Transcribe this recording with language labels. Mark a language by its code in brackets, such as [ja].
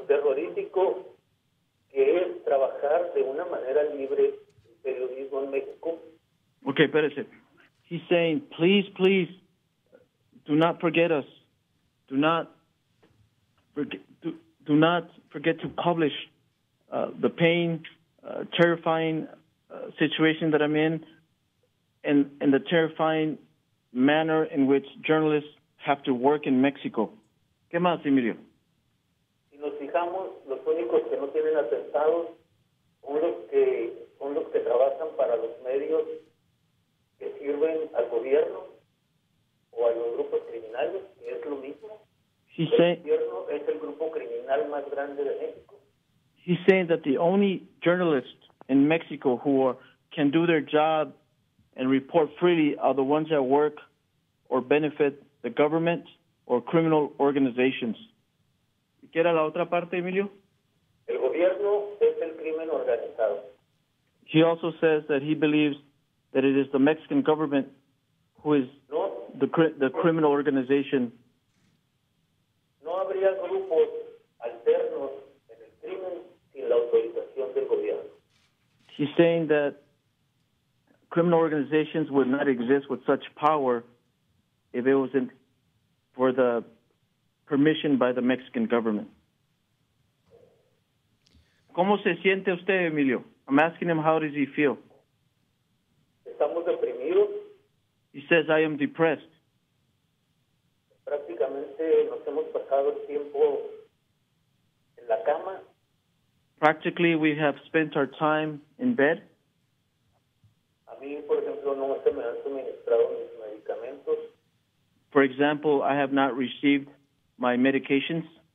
[es] México, que es trabajar de una manera libre el periodismo en México. Okay, espérese. [en] He's saying, please, please, do not forget us. Do not forget to publish the pain, terrifying situation that I'm in, and the terrifying manner in which journalists have to work in Mexico. [es] ¿Qué más, Emilio? Si nos fijamos, los únicos que no tienen atentados son los que trabajan para los medios que sirven al gobierno o a los grupos criminales, y es lo mismo. El gobierno es el grupo criminal más grande de México. [en] He's saying that the only journalists in Mexico who can do their job and report freely are the ones that work or benefit the government or criminal organizations. [es] ¿Y qué era la otra parte, Emilio? El gobierno es el crimen organizado. [en] He also says that he believes that it is the Mexican government who is the criminal organization. [es] No habría grupos alternos en el crimen sin la autorización del gobierno. [en] He's saying that criminal organizations would not exist with such power if it wasn't for the permission by the Mexican government. [es] ¿Cómo se siente usted, Emilio? [en] I'm asking him, how does he feel? [es] Estamos deprimidos. [en] He says, I am depressed. [es] Prácticamente nos hemos pasado el tiempo en la cama. [en] Practically, we have spent our time in bed. [es] A mí, por ejemplo, no se me han suministrado mis medicamentos. [en] For example, I have not received my medications.